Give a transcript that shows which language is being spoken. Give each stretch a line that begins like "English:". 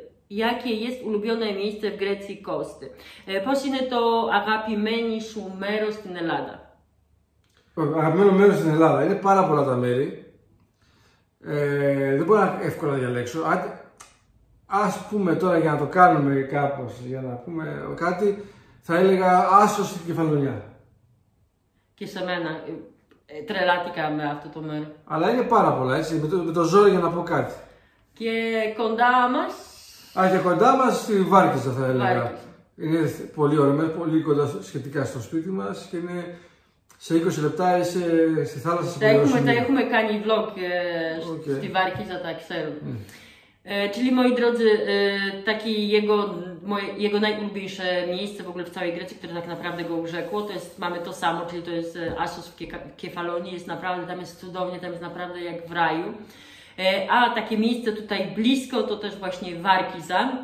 Polish: Jakie jest ulubione miejsce w Grecji, Kosty?
Greek: Posine to agapimeni sou meros ten Ελλάδα. Αγαπημένο μέρος στην Ελλάδα. Είναι πάρα πολλά τα μέρη. Δεν μπορώ εύκολα να διαλέξω. Ας πούμε τώρα για να το κάνουμε κάπως, για να πούμε κάτι, θα έλεγα Άσος στην Κεφαλονιά. Και σε μένα. Τρελάτηκα με αυτό το μέρος. Αλλά είναι πάρα πολλά, έτσι. Με το ζόρι για να πω κάτι. Και κοντά μας. Α, και κοντά μας στη Βάρκηζα θα έλεγα. Είναι πολύ ωραίο μέρος, πολύ κοντά σχετικά στο σπίτι μας και είναι. Σε 20 λεπτά είσαι στη θάλασσα. Τα έχουμε κάνει vlog okay. Στη Βάρκηζα, τα ξέρω.
Polish: Czyli moi drodzy, takie jego najulubieńsze miejsce w ogóle w całej Grecji, które tak naprawdę go urzekło, to jest, mamy to samo, czyli to jest Asos w Kefalonii, jest naprawdę, tam jest cudownie, tam jest naprawdę jak w raju. A takie miejsce tutaj blisko to też właśnie Warkiza.